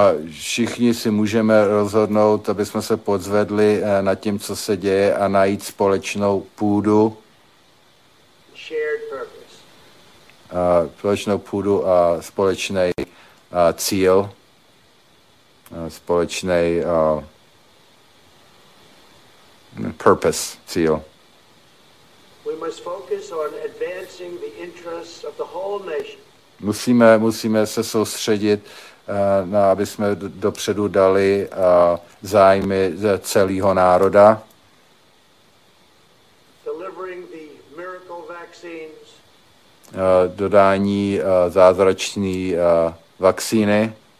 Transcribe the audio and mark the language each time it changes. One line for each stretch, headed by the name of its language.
Czech: Všichni si můžeme rozhodnout, aby jsme se podzvedli nad tím, co se děje a najít společnou půdu. Společnou půdu a společný cíl.
English: We must focus on advancing the interests of the whole nation.
Czech: Musíme se soustředit, aby jsme dopředu dali zájmy celého národa.
English: Delivering the miracle vaccine.
Czech: Dodání zázračné vakcíny.